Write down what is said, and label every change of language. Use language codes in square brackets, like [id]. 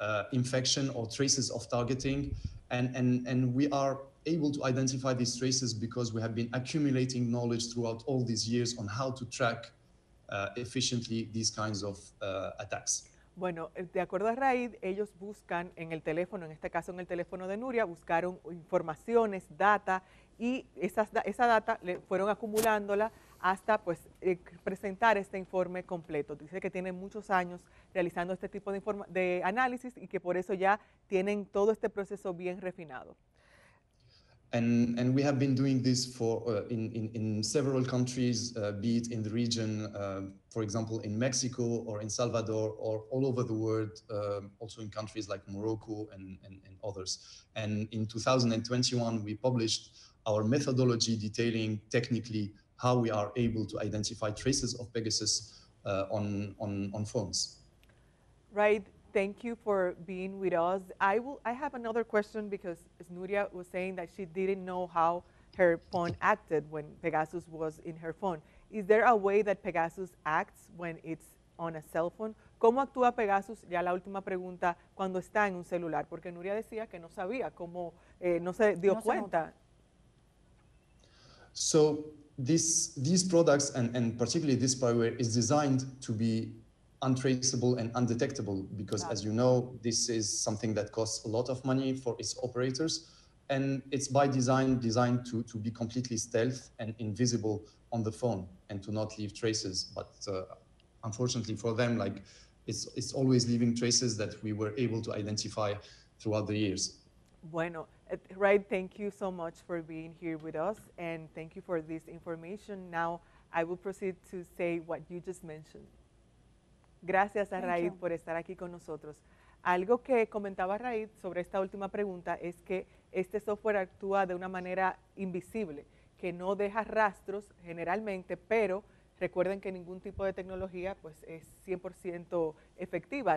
[en] infection or traces of targeting, and we are able to identify these traces because we have been accumulating knowledge throughout all these years on how to track efficiently these kinds of attacks. [es] Bueno, de acuerdo a Raid, ellos buscan en el teléfono, en este caso en el teléfono de Nuria, buscaron informaciones, data, y esa data le fueron acumulándola hasta pues presentar este informe completo. Dice que tienen muchos años realizando este tipo de análisis y que por eso ya tienen todo este proceso bien refinado. [en] And we have been doing this for in several countries, be it in the region, for example, in Mexico or in Salvador or all over the world, also in countries like Morocco and others. And in 2021, we published our methodology detailing technically how we are able to identify traces of Pegasus on phones. Right. Thank you for being with us. I have another question because Nuria was saying that she didn't know how her phone acted when Pegasus was in her phone. Is there a way that Pegasus acts when it's on a cell phone? [es] ¿Cómo actúa Pegasus? Ya la última pregunta, cuando está en un celular, porque Nuria decía que no sabía cómo no se dio cuenta. [en] So these products and particularly this spyware is designed to be untraceable and undetectable, because as you know, this is something that costs a lot of money for its operators, and it's by design designed to be completely stealth and invisible on the phone and to not leave traces. But unfortunately for them, like it's always leaving traces that we were able to identify throughout the years. Bueno, right, thank you so much for being here with us, and thank you for this information. Now I will proceed to say what you just mentioned. [es] Gracias a Raid por estar aquí con nosotros. Algo que comentaba Raid sobre esta última pregunta es que este software actúa de una manera invisible, que no deja rastros generalmente, pero recuerden que ningún tipo de tecnología pues es 100% efectiva.